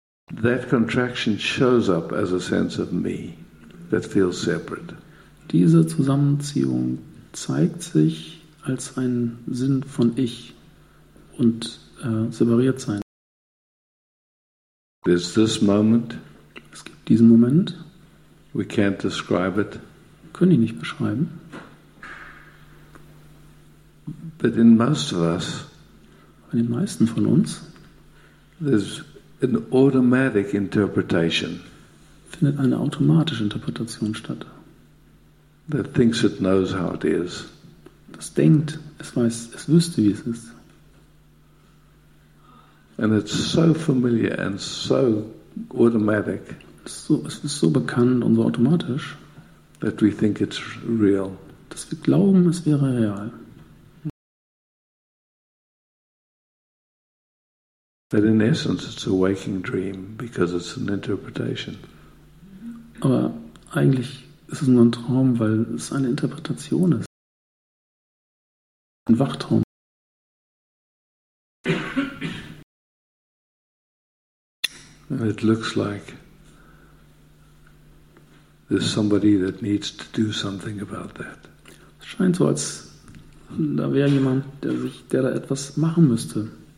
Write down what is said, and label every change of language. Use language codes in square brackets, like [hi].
[en] That contraction shows up as a sense of me that feels separate. [de] Diese Zusammenziehung zeigt sich als ein Sinn von Ich und separiert sein. [en] There's this moment. [de] Es gibt diesen Moment. [en] We can't describe it. [de] Wir können ihn nicht beschreiben. [en] But in most of us, [de] in den meisten von uns, [en] there's an automatic interpretation. [de] Findet eine automatische Interpretation statt. [en] That thinks it knows how it is. [de] Das denkt, es weiß, es wüsste, wie es ist. [en] And it's so familiar and so automatic. [de] Es ist so bekannt und so automatisch. [en] That we think it's real. [de] Dass wir glauben, es wäre real. [en] But in essence, it's a waking dream because it's an interpretation. [de] Aber eigentlich ist es nur ein Traum, weil es eine Interpretation ist. Ein Wachtraum. [en] And it looks like there's somebody that needs to do something about that. [de] Es scheint so, als da wäre jemand, der da etwas machen müsste.